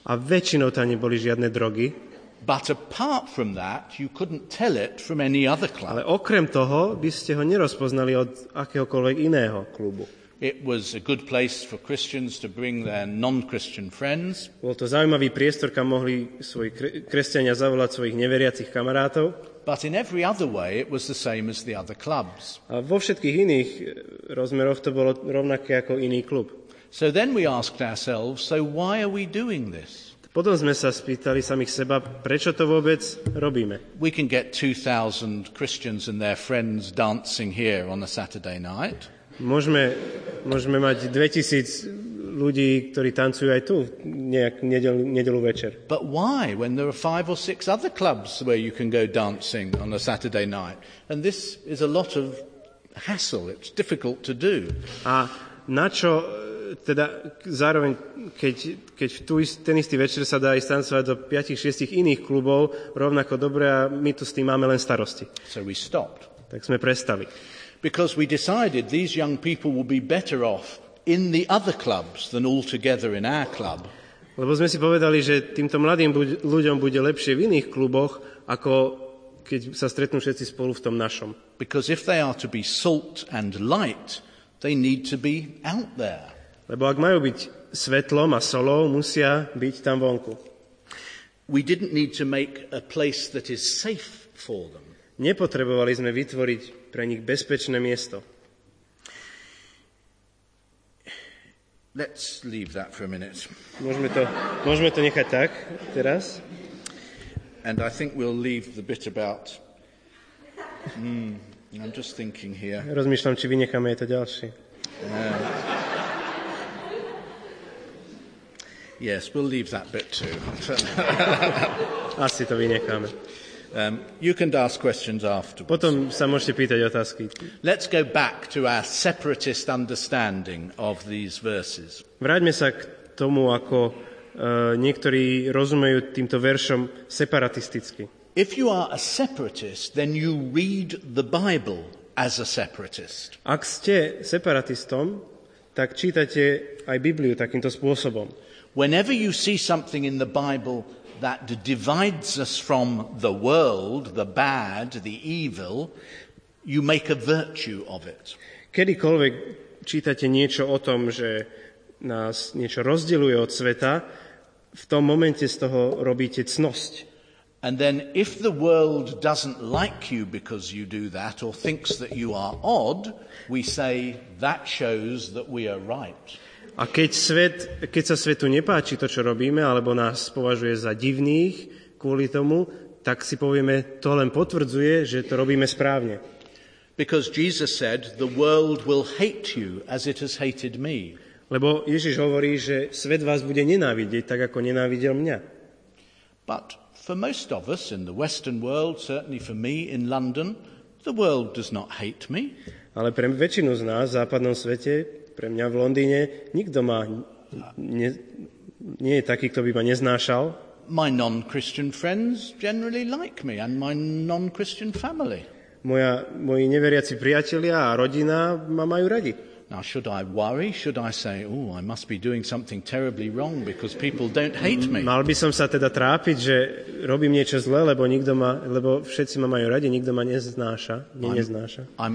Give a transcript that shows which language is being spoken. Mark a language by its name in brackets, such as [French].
[Slovak] A väčšinou tam neboli žiadne drogy. [English] But apart from that, you couldn't tell it from any other club. [Slovak] Ale okrem toho by ste ho nerozpoznali od akéhokoľvek iného klubu. [English] It was a good place for Christians to bring their non-Christian friends. [Slovak] Bol to zaujímavý priestor, kam mohli svoji kresťania zavolať svojich neveriacich kamarátov. [English] But in every other way, it was the same as the other clubs. [Slovak] A vo všetkých iných rozmeroch to bolo rovnaké ako iný klub. [English] So then we asked ourselves, so why are we doing this? [Slovak] Potom sme sa spýtali samých seba, prečo to vôbec robíme. [English] We can get 2,000 Christians and their friends dancing here on a Saturday night. [Slovak] Môžeme mať 2,000 ľudí, ktorí tancujú aj tu nejak nedeľu večer. [English] But why when there are 5 or 6 other clubs where you can go dancing on a Saturday night? And this is a lot of hassle. It's difficult to do. [Slovak] A načo teda zároveň, keď ten istý večer sa dá ísť tancovať do 5-6 iných klubov, rovnako dobre, a my tu s tým máme len starosti. [English] So we stopped. [Slovak] Tak sme prestali. [English] Because we decided these young people would be better off in the other clubs than altogether in our club. [Slovak] Lebo sme si povedali, že týmto mladým ľuďom bude lepšie v iných kluboch, ako keď sa stretnú všetci spolu v tom našom. [English] Because if they are to be salt and light, they need to be out there. [Slovak] Lebo ak majú byť svetlom a solou, musia byť tam vonku. [English] We didn't need to make a place that is safe for them. [Slovak] Nepotrebovali sme vytvoriť pre nich bezpečné miesto. [English] Let's leave that for a minute. [Slovak] Môžeme to nechať tak teraz. [English] And I think we'll leave the bit about I'm just thinking here. [Slovak] Rozmýšľam, či vynecháme to ďalšie. [English] Yes, we'll leave that bit too. [Slovak] Asi to vynecháme. [English] You can ask questions afterwards. [Slovak] Potom sa môžete pýtať otázky. [English] Let's go back to our separatist understanding of these verses. [Slovak] Vráťme sa k tomu, ako niektorí rozumejú týmto veršom separatisticky. [English] If you are a separatist, then you read the Bible as a separatist. [Slovak] Ak ste separatistom, tak čítate aj Bibliu takýmto spôsobom. [English] Whenever you see something in the Bible that divides us from the world, the bad, the evil, you make a virtue of it. [Slovak] Kedykoľvek čítate niečo o tom, že nás niečo rozdeľuje od sveta, v tom momente z toho robíte cnosť. [English] And then if the world doesn't like you because you do that or thinks that you are odd, we say that shows that we are right. [Slovak] A keď sa svetu nepáči to, čo robíme, alebo nás považuje za divných kvôli tomu, tak si povieme, to len potvrdzuje, že to robíme správne. [English] Because Jesus said, the world will hate you as it has hated me. [Slovak] Lebo Ježiš hovorí, že svet vás bude nenávidieť tak, ako nenávidel mňa. [English] But for most of us in the Western world, certainly for me in London, the world does not hate me. [Slovak] Ale pre väčšinu z nás v západnom svete, pre mňa v Londýne, nikto ma nie je taký, kto by ma neznášal. [English] My non-Christian friends generally like me and my non-Christian family. [Slovak] Moji neveriaci priatelia a rodina ma majú radi. [English] Now should I worry? Should I say, oh, I must be doing something terribly wrong because people don't hate me? [Slovak] Mal by som sa teda trápiť, že robím niečo zlé, lebo všetci ma majú radi, nikto ma neznáša, neznáša.